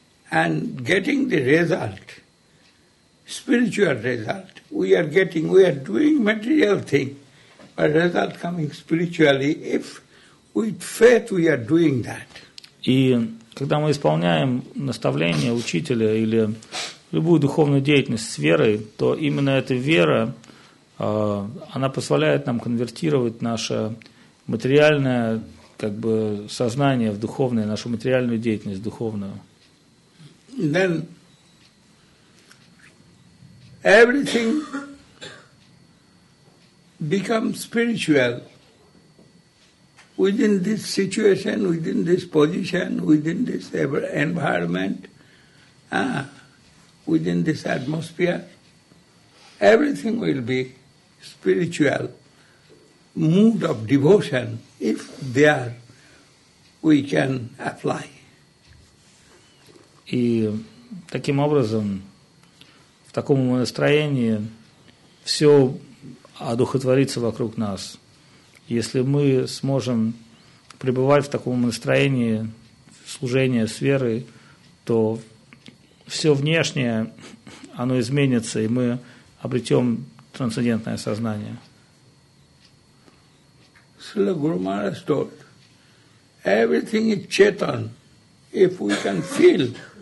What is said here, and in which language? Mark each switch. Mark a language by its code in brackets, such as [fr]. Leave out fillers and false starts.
[en] And getting the result, spiritual result, we are getting, we are doing material thing, but result coming spiritually, if with faith we are doing that. [ru] И когда мы исполняем наставление учителя или любую духовную деятельность с верой, то именно эта вера, она позволяет нам конвертировать наше материальное как бы сознание в духовное, нашу материальную деятельность в духовную. [en] Then everything becomes spiritual within this situation, within this position, within this environment, within this atmosphere. Everything will be spiritual mood of devotion if there we can apply. [ru] И таким образом, в таком настроении, все одухотворится вокруг нас. Если мы сможем пребывать в таком настроении служения с верой, то все внешнее, оно изменится, и мы обретем трансцендентное сознание. [en] Srila Guru Maharaj told, everything is chetan, if we can feel.